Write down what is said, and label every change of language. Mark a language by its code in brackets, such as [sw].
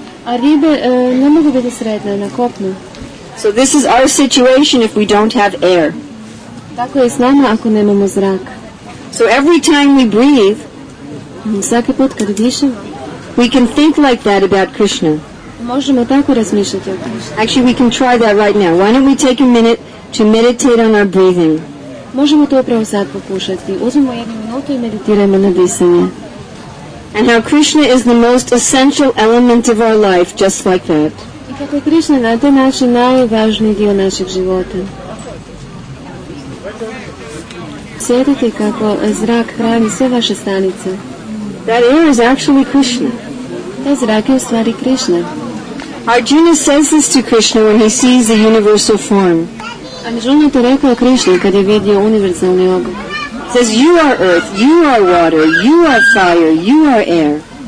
[hr] A ribe ne mogu biti sretne na kopnu. [en] So this is our situation if we don't have air. [hr] Tako je s nama ako nemamo zrak. [en] So every time we breathe, [hr] svaki put kad dišem, [en] we can think like that about Krishna. [hr] Možemo tako razmišljati o Krishna. [en] Actually, we can try that right now. Why don't we take a minute to meditate on our breathing? [hr] Možemo to upravo sad pokušati. Uzmemo jednu minutu I meditiramo na disanje. [en] And how Krishna is the most essential element of our life, just like that. [hr] I kako je Krishna na taj način najvažniji dio našeg života. Sjetite kako zrak hrani sve vaše stanice. [en] That air is actually Krishna. [hr] Taj zrak je u stvari Krishna. [en] Arjuna says this to Krishna when he sees the universal form. [hr] Arjuna to rekao Krishna kad je vidio univerzalni oblik. [en] Says, you are earth, you are water, you are fire, you are air.